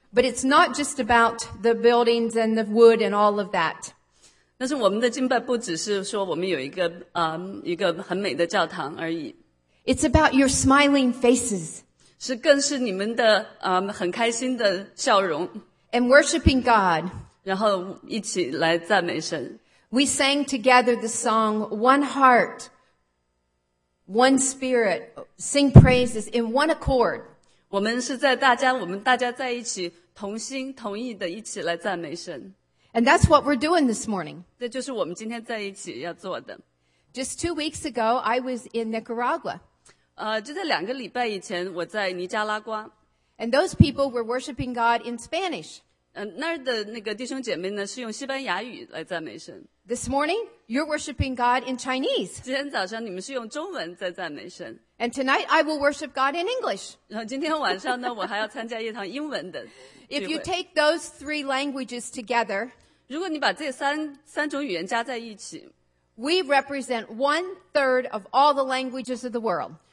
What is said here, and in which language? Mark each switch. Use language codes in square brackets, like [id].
[en] But it's not just about the buildings and the wood and all of that. [zh] 但是我们的敬拜不只是说我们有一个很美的教堂而已。 [en] It's about your smiling faces. [zh] 是更是你们的很开心的笑容。 [en] And worshiping God. [zh] 然后一起来赞美神。 [en] We sang together the song, One Heart, One Spirit, Sing Praises in One Accord. [zh] 我们是在大家在一起。同心同意的一起来赞美神。 [en] And that's what we're doing this morning. [zh] 这就是我们今天在一起要做的。 [en] Just 2 weeks ago, I was in Nicaragua. [zh] 就在2个礼拜以前，我在尼加拉瓜。 [en] And those people were worshiping God in Spanish. [zh] 那儿的那个弟兄姐妹呢，是用西班牙语来赞美神。 [en] This morning, you're worshiping God in Chinese. [zh] 今天早上你们是用中文在赞美神。 [en] And tonight, I will worship God in English. [zh] 然后今天晚上呢，我还要参加一堂英文的。 [en] If you take those three languages together, [zh] 如果你把这三种语言加在一起, [en] we represent 1/3 of all the languages of the world.